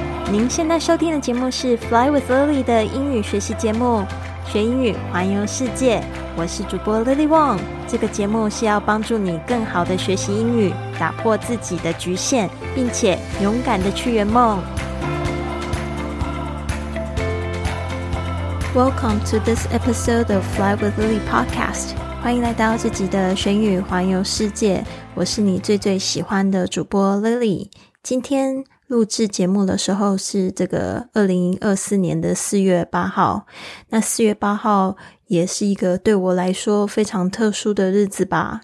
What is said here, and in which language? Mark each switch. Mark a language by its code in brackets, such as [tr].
[zh] 您现在收听的节目是 Fly with Lily 的英语学习节目，学英语环游世界。我是主播 Lily Wong。这个节目是要帮助你更好的学习英语，打破自己的局限，并且勇敢的去圆梦。 [en] Welcome to this episode of Fly with Lily podcast. [zh] 欢迎来到这集的学英语环游世界。我是你最最喜欢的主播 Lily。今天录制节目的时候是这个2024年的4月8号。那4月8号也是一个对我来说非常特殊的日子吧。